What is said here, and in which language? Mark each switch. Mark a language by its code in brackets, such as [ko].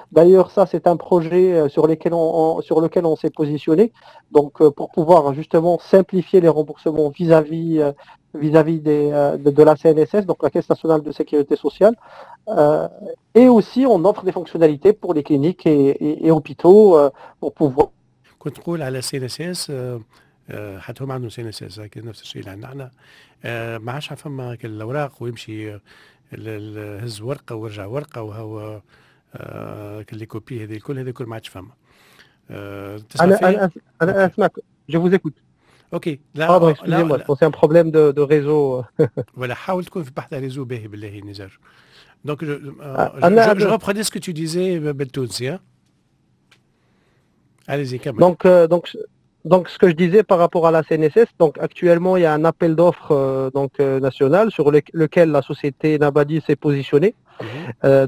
[fr] D'ailleurs, ça, c'est un projet sur lequel on s'est positionné, donc pour pouvoir justement simplifier les remboursements vis-à-vis de la CNSS, donc la Caisse nationale de sécurité sociale. Et aussi, on offre des fonctionnalités pour les cliniques et hôpitaux pour pouvoir... Contrôle à la CNSS, [ar] حتهم عندهم [fr] CNSS, c'est le même chose que nous. [ar] ما عادش فما الأوراق ويمشي هز ورقة ورجع ورقة وهو كل كوبي هذه الكل هذه الكل ما عادش فما. أنا أسمعك. [fr] Je vous écoute. Ok. Pardon, excusez-moi. C'est un problème de réseau. Voilà. [ar] حاول تكون في بحث الريزو به بالله نزار. [fr] Donc je reprenais ce que tu disais, [ar] بالتونسي. [fr] Allez-y, Kamel. Donc ce que je disais par rapport à la CNSS, donc actuellement il y a un appel d'offres national sur lequel la société Nabadi s'est positionnée. Mmh.